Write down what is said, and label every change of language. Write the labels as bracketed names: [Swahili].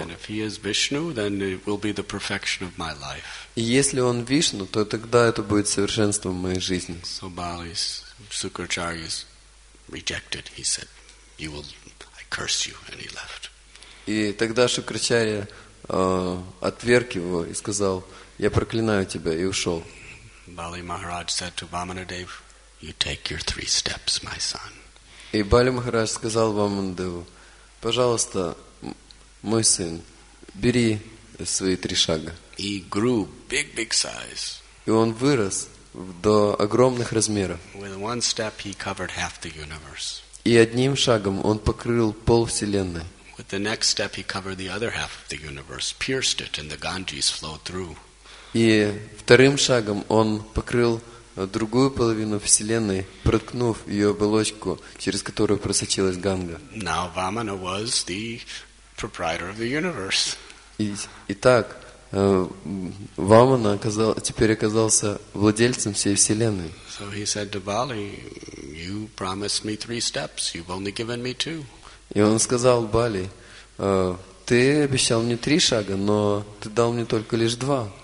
[English] And if he is Vishnu, then it will be the perfection of my life. [Russian] И если он Вишну, то тогда это будет совершенством моей жизни. [English] So Bali Shukracharya rejected. He said, "You will, I curse you," and he left. [Russian] И тогда Шукрачарья отверг его и сказал, "Я проклинаю тебя," и ушел. [English] Bali Maharaj said to Vamanadev, "You take your 3 steps, my son." [Russian] И Бали Махарадж сказал Вамандеву, "Пожалуйста, мой сын, бери свои 3 шага. [English] He grew big, big size. [Russian] И он вырос до огромных размеров. [English] With one step he covered half the universe. [Russian] И одним шагом он покрыл пол вселенной. [English] With the next step he covered the other half of the universe, pierced it, and the Ganges flowed through. [Russian] И вторым шагом он покрыл другую половину Вселенной, проткнув ее оболочку, через которую просочилась Ганга. [English] Now Vamana was the proprietor of the universe. [Russian] Итак, Вамана теперь оказался владельцем всей Вселенной. [English] So he said to Bali, you promised me 3 steps, you've only given me 2. [Russian] И он сказал Бали, ты обещал мне 3 шага, но ты дал мне только лишь 2.